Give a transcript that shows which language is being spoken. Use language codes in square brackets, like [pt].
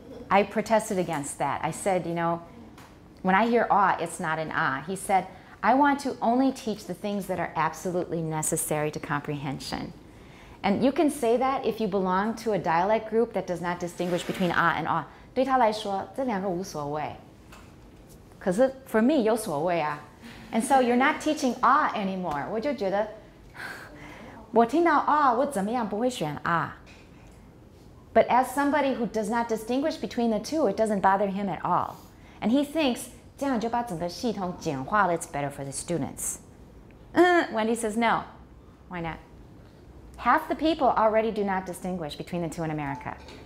[en] I protested against that. I said, you know, when I hear ah, it's not an ah. He said, I want to only teach the things that are absolutely necessary to comprehension. And you can say that if you belong to a dialect group that does not distinguish between ah and ah. [zh] 对他来说，这两个无所谓。可是 [en] for me, [zh] 有所谓啊。 [en] And so you're not teaching ah anymore. [zh] 我就觉得 我听到啊，我怎么样不会选啊？ [en] But as somebody who does not distinguish between the two, it doesn't bother him at all. And he thinks, [zh] 这样就把整个系统简化了, [en] it's better for the students. Wendy says, no, why not? Half the people already do not distinguish between the two in America.